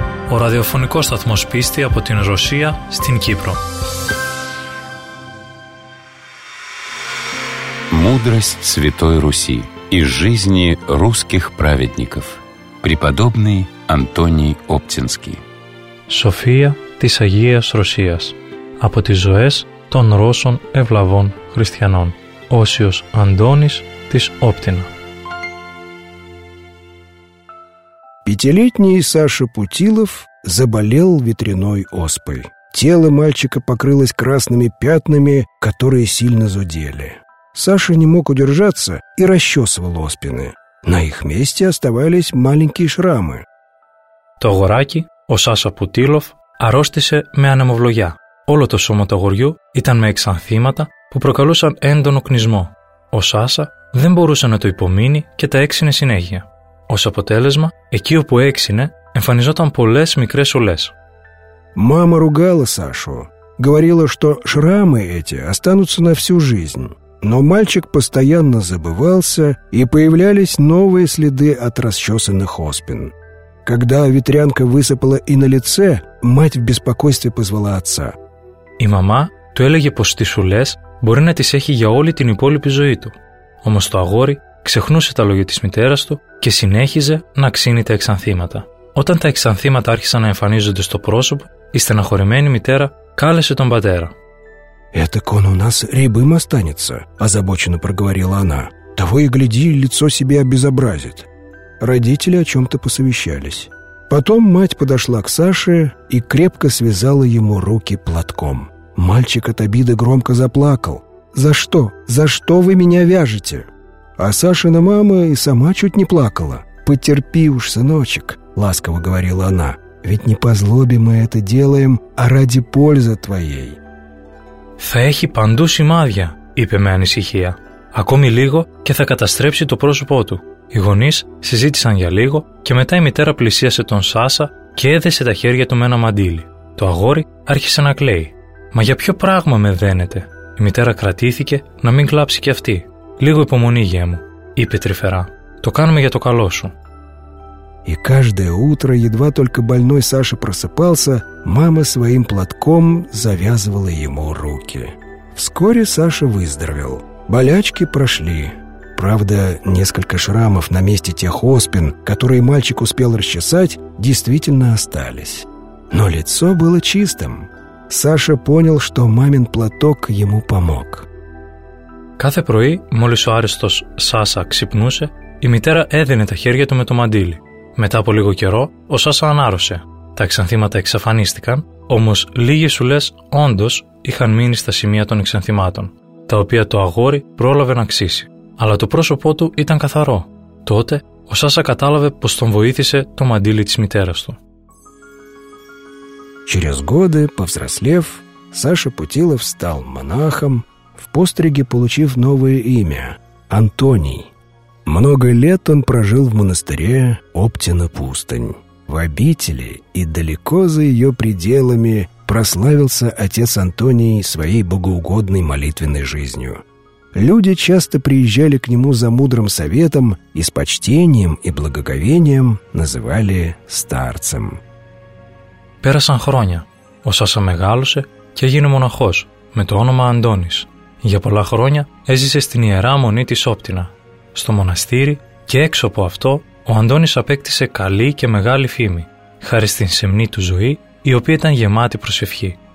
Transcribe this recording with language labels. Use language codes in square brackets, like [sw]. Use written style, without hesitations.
[el] Ο ραδιοφωνικός σταθμός πίστη από την Ρωσία στην Κύπρο. [ru] Мудрость Святой Руси из жизни русских праведников. Преподобный Антоний Оптинский. [el] София της Αγίας Ρωσίας. Από τις ζωές των Ρώσων ευλαβών χριστιανών. Όσιος Αντώνης της Όπτινα. [ru] Пятилетний Саша Путилов заболел ветряной оспой. Тело мальчика покрылось красными пятнами, которые сильно зудели. Саша не мог удержаться и расчесывал оспины. На их месте оставались маленькие шрамы. [el] То гораки, о Саша Путилов, аростисе ме анемовлогя. Оло то сома то горю, итан ме эксанфимата, που προκαλούσαν έντονο κνισμό. Ο Σάσα δεν μπορούσε να το υπομείνει και τα έξινε συνέχεια. Ως αποτέλεσμα, εκεί όπου έξινε, εμφανιζόταν πολλές μικρές ολές. [ru] Мама ругала Сашу. Говорила, что шрамы эти останутся на всю жизнь. Но мальчик постоянно забывался, и появлялись новые следы от расчесанных оспин. Когда ветрянка высыпала и на лице, мать в беспокойстве позвала отца. [el] И мама του έλεγε πως τις ολές μπορεί να τις έχει για όλη την υπόλοιπη ζωή του. Όμως το αγόρι ξεχνούσε τα λόγια της μητέρας του και συνέχιζε να ξύνει τα εξανθήματα. Όταν τα εξανθήματα άρχισαν να εμφανίζονται στο πρόσωπο, η στεναχωρημένη μητέρα κάλεσε τον πατέρα. [ru] «Этак он у нас рябым останется», – озабоченно проговорила она. «Того и гляди, лицо себе обезобразит». Родители о чем-то посовещались. Потом мать подошла к Саше и крепко связала ему руки платком. Мальчик от обиды громко заплакал. «За что? За что вы меня вяжете?» А Сашина мама и сама чуть не плакала. «Потерпи уж, сыночек», — ласково говорила она. «Ведь не по злобе мы это делаем, а ради пользы твоей». [el] «Θα έχει παντού σημάδια», — είπε με ανησυχία. «Ακόμη λίγο και θα καταστρέψει το πρόσωπό του». Οι γονείς συζήτησαν για λίγο και μετά η μητέρα πλησίασε τον Σάσα και έδεσε τα χέρια του με ένα μαντίλι. Το αγόρι άρχισε να κλαίει. «Μα για ποιο πράγμα με δένετε?» Η μητέρα κρατήθηκε να μην κλάψει κι αυτή. «Λίγο υπομονή, γιέ μου», είπε τρυφερά. «Το κάνουμε για το καλό σου». [ru] И каждое утро, едва только больной Саша просыпался, мама своим платком завязывала ему руки. Вскоре Саша выздоровел. Болячки прошли. Правда, несколько шрамов на месте тех оспин, которые мальчик успел расчесать, действительно остались. Но лицо было чистым. Саша понял, что мамин платок ему помог. [el] Κάθε πρωί, μόλις ο άριστος Σάσα ξυπνούσε, η μητέρα έδινε τα χέρια του με το μαντίλι. Μετά από λίγο καιρό, ο Σάσα ανάρρωσε. Τα εξανθήματα εξαφανίστηκαν, όμως λίγες ουλές όντως είχαν μείνει στα σημεία των εξανθημάτων, τα οποία το αγόρι πρόλαβε να ξύσει. Αλλά το πρόσωπό του ήταν καθαρό. Τότε, ο Σάσα κατάλαβε πως τον βοήθησε το μαντίλι της μητέρας του. [ru] Через годы, повзрослев, Саша Путилов стал монахом, в постриге получив новое имя – Антоний. Много лет он прожил в монастыре Оптина-Пустынь. В обители и далеко за ее пределами прославился отец Антоний своей богоугодной молитвенной жизнью. Люди часто приезжали к нему за мудрым советом и с почтением и благоговением называли старцем. [el] Пέρασαν χρόνια. Ο Σάσα μεγάλωσε και έγινε μοναχός με το όνομα Αντώνης. Για πολλά χρόνια έζησε στην Ιερά Μονή της Όπτινα. Στο μοναστήρι και έξω από αυτό, ο Αντώνης απέκτησε καλή και μεγάλη φήμη, χάρη στην σεμνή του ζωή, η οποία ήταν γεμάτη προσευχή.